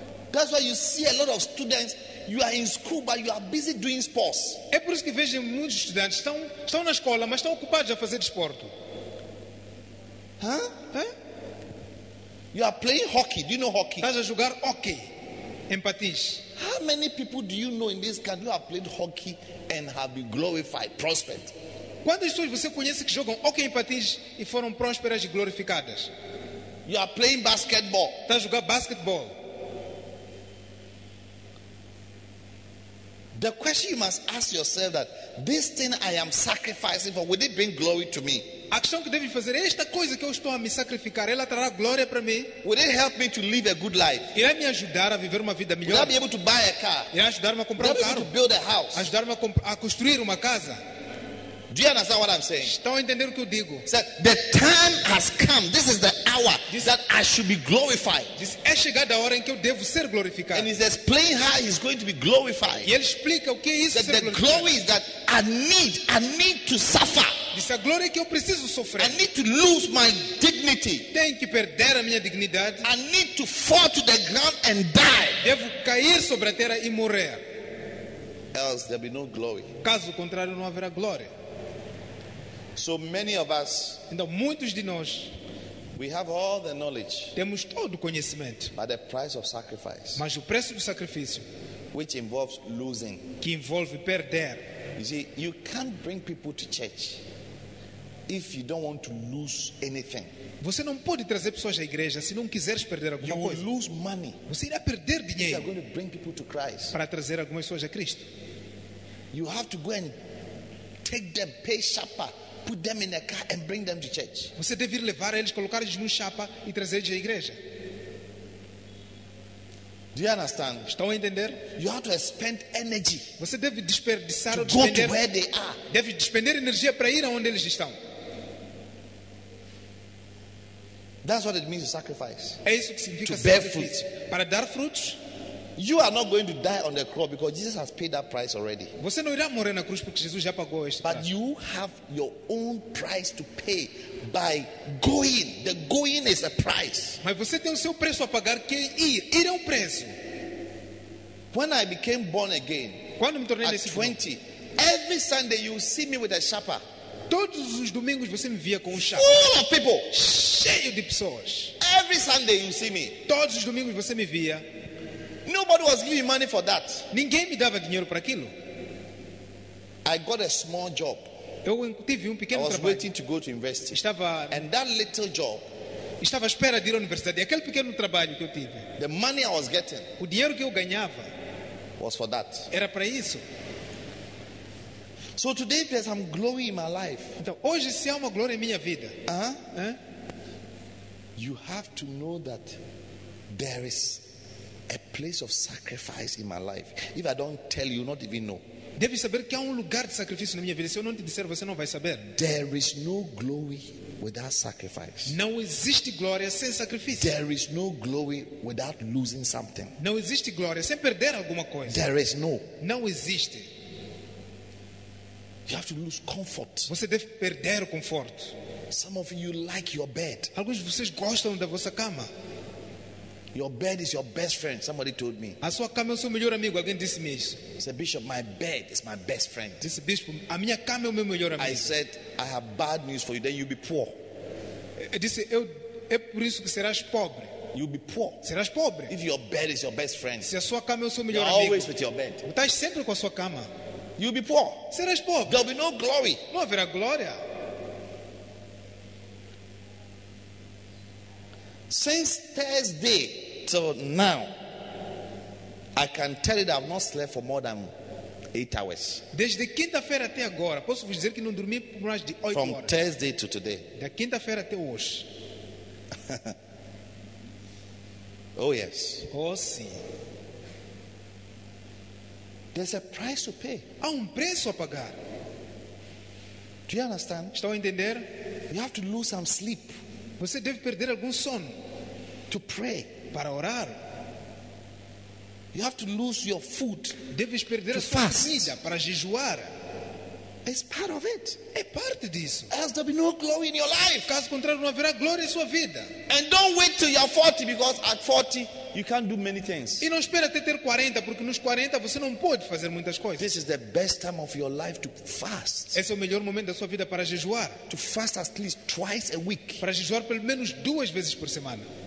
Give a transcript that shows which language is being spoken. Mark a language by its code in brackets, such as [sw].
[en] That's why you see a lot of students. You are in school, but you are busy doing sports. [pt] É por isso que vejo muitos estudantes estão na escola, mas estão ocupados a fazer desporto. [en] You are playing hockey. Do you know hockey? [pt] Estás a jogar hockey em patins. [en] How many people do you know in this country who have played hockey and have been glorified, prospered? [pt] Quantas pessoas você conhece que jogam hockey em patins e foram prósperas e glorificadas? [en] You are playing basketball. [pt] Estás a jogar basketball. [en] The question you must ask yourself that this thing I am sacrificing for, will it bring glory to me? [pt] A questão que deve fazer é esta coisa que eu estou a me sacrificar, ela trará glória para mim? [en] Will it help me to live a good life? [pt] Irá me ajudar a viver uma vida melhor? [en] Will I be able to buy a car? [pt] Irá ajudar-me a comprar [en] will [pt] um carro? [en] Will I be able to build a house? [pt] Ajudar-me a construir uma casa? [en] Do you understand what I'm saying? [pt] Estão entendendo o que eu digo? [en] So, the time has come. This is the hour that I should be glorified. [pt] Diz, é chegada a hora em que eu devo ser glorificado. [en] And he's explaining how he's going to be glorified. [pt] E ele explica o que é isso [en] that [pt] ser [en] the [pt] glorificado. [en] Glory is that I need to suffer. [pt] Diz, a glória é que eu preciso sofrer. [en] I need to lose my dignity. [pt] Tenho que perder a minha dignidade. [en] I need to fall to the ground and die. [pt] Devo cair sobre a terra e morrer. [en] Else there'll be no glory. [pt] Caso contrário não haverá glória. [en] So many of us, [pt] então muitos de nós, [en] we have all the knowledge, [pt] temos todo o conhecimento, [en] but the price of sacrifice, [pt] mas o preço do sacrifício, [en] which involves losing, [pt] que envolve perder. [en] You see, you can't bring people to church if you don't want to lose anything. [pt] Você não pode trazer pessoas à igreja se não quiseres perder alguma [en] you [pt] coisa. [en] You will lose money. [pt] Você irá perder dinheiro. [en] You are going to bring people to Christ. [pt] Para trazer algumas pessoas a Cristo. [en] You have to go and take them, pay chapa, put them in a car and bring them to church. [pt] Você deve ir levar eles, colocar eles num chapa e trazer eles à igreja. [en] Do you understand? [pt] Estão a entender? [en] You have to expend energy. [pt] Você deve desperdiçar [en] to go to where they are. [pt] Deve despender energia para ir aonde eles estão. [en] That's what it means to sacrifice. [pt] É isso que significa [en] to bear fruit. [pt] Para dar frutos. [en] You are not going to die on the cross because Jesus has paid that price already. [pt] Você não irá morrer na cruz porque Jesus já pagou este preço. [en] But you have your own price to pay by going. The going is a price. [pt] Mas você tem o seu preço a pagar, que é ir. Ir é um preço. [en] When I became born again, [pt] quando me tornei [en] at 20, every Sunday you see me with a chapa. [pt] Todos os domingos você me via com um chapa. [en] Full of people. [pt] Cheio de pessoas. [en] Every Sunday you see me. [pt] Todos os domingos você me via. [en] Nobody was giving money for that. [pt] Ninguém me dava dinheiro para aquilo. [en] I got a small job. [pt] Eu tive pequeno trabalho. [en] I was waiting to go to university. [pt] Estava. [en] And that little job. [pt] Estava à espera de ir à universidade. E aquele pequeno trabalho que eu tive. [en] The money I was getting. [pt] O dinheiro que eu ganhava. [en] Was for that. [pt] Era para isso. [en] So today there's some glory in my life. [pt] Então hoje se há uma glória em minha vida. [en] You have to know that there is a place of sacrifice in my life. If I don't tell you, not even know. [pt] Deve saber que há lugar de sacrifício na minha vida. Se eu não te disser, você não vai saber. [en] There is no glory without sacrifice. [pt] Não existe glória sem sacrifício. [en] There is no glory without losing something. [pt] Não existe glória sem perder alguma coisa. [en] There is no. [pt] Não existe. [en] You have to lose comfort. [pt] Você deve perder o conforto. [en] Some of you like your bed. [pt] Alguns de vocês gostam da vossa cama. [en] Your bed is your best friend, somebody told me. [pt] A sua cama é o seu melhor amigo, alguém disse-me isso. [en] Said, Bishop, my bed is my best friend. [pt] Disse, bispo, a minha cama é o meu melhor amigo. [en] I said, I have bad news for you, then you'll be poor. [pt] Disse, eu, é por isso que serás pobre. [en] You'll be poor. [pt] Serás pobre. [en] If your bed is your best friend. [pt] Se a sua cama é o seu melhor [en] you're [pt] amigo. [en] Always with your bed. [pt] Estás sempre com a sua cama. [en] You'll be poor. [pt] Serás pobre. [en] There'll be no glory. [pt] Não haverá glória. [en] Since Thursday till now, I can tell you that I've not slept for more than 8 hours. [pt] Desde quinta-feira até agora, posso vos dizer que não dormi por mais de 8 horas. [en] From Thursday to today. [pt] Da quinta-feira até hoje. [en] Oh yes. [pt] Oh sim. [en] There's a price to pay. [pt] Há preço a pagar. [en] Do you understand? [pt] Estão a entender? [en] You have to lose some sleep. [pt] Você deve perder algum sono. [en] To pray. [pt] Para orar. [en] You have to lose your food. [pt] Deves perder [en] to [pt] a sua comida para jejuar. [en] It's part of it. [pt] É parte disso. [en] Else there'll be no glory in your life. [pt] Caso contrário, não haverá glória em sua vida. [en] And don't wait till you're 40 because at 40 you can't do many things. [pt] E não espera até ter 40 porque nos 40 você não pode fazer muitas coisas. [en] This is the best time of your life to fast. [pt] Esse é o melhor momento da sua vida para jejuar. [en] To fast at least twice a week. [pt] Para jejuar pelo menos duas vezes por semana.